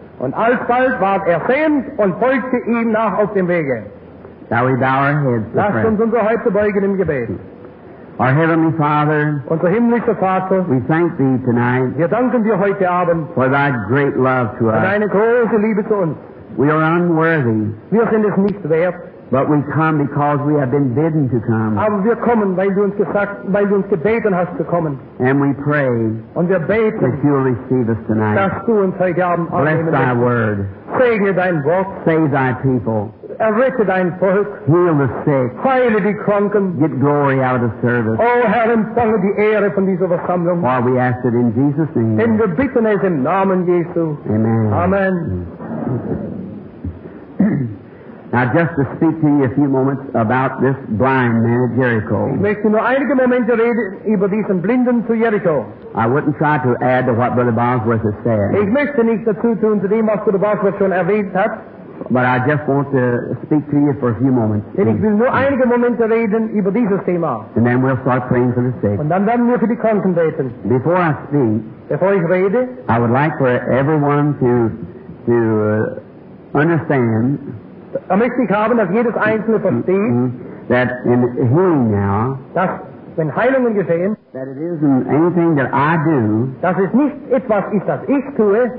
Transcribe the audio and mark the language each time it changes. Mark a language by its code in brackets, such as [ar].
[de] Und alsbald ward er sehend und folgte ihm nach auf dem Wege. [en] Now we bow our heads. [de] Lasst uns unsere Häupte beugen im Gebet. [en] Our Heavenly Father, [de] unser himmlischer Vater, [en] we thank thee tonight, [de] wir danken dir heute Abend, [en] for thy great love to us, [de] für deine große Liebe zu uns. [en] We are unworthy, [de] wir sind es nicht wert, [en] but we come because we have been bidden to come. [de] Aber wir kommen, weil du uns gebeten hast zu kommen. [en] And we pray. [de] Und wir beten. [en] That you will receive us tonight. [de] Dass du uns heute Abend [en] bless thy word. [de] Segne dein Wort. [en] Save thy people. [de] Errette dein Volk. [en] Heal the sick. [de] Heile die Kranken. [en] Get glory out of the service. [de] O Herr, empfange die Ehre von dieser Versammlung. [en] While we ask it in Jesus' name. [de] Denn wir bitten es im Namen Jesu. [en] Amen. [de] Amen. [en] Now, just to speak to you a few moments about this blind man at Jericho. [de] Ich möchte nur einige Momente reden über diesen Blinden zu Jericho. [en] I wouldn't try to add to what Brother Bosworth has said. [de] Ich möchte nicht dazu tun, zu dem, was Brother Bosworth schon erwähnt hat. [en] But I just want to speak to you for a few moments. [de] Und ich will nur einige Momente reden über dieses Thema. [en] And then we'll start praying for the sick. [de] Und dann werden wir für die Kranken beten. [en] Before I speak, [de] bevor ich rede, [en] I would like for everyone to understand. [de] Da möchte ich haben, dass jedes Einzelne versteht, [en] that in healing now, [de] dass wenn Heilungen geschehen, [en] that it isn't anything that I do, [de] dass es nicht etwas ist, das ich tue,